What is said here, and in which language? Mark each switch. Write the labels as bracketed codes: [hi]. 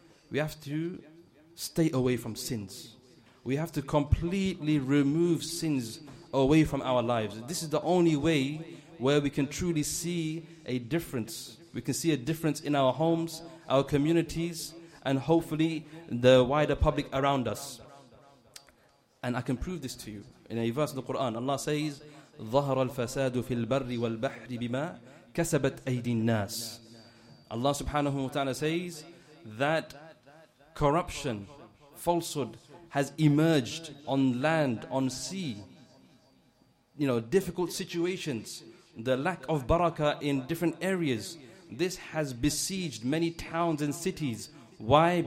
[en] We have to stay away from sins. We have to completely remove sins away from our lives. This is the only way where we can truly see a difference. We can see a difference in our homes, our communities, and hopefully the wider public around us. And I can prove this to you. In a verse in the Quran, Allah says, [ar] ظَهَرَ الْفَسَادُ فِي الْبَرِّ وَالْبَحْرِ بِمَا كَسَبَتْ أَيْدِ النَّاسِ. [en] Allah subhanahu wa ta'ala says that corruption, falsehood has emerged on land, on sea. You know, difficult situations, the lack of barakah in different areas. This has besieged many towns and cities. Why?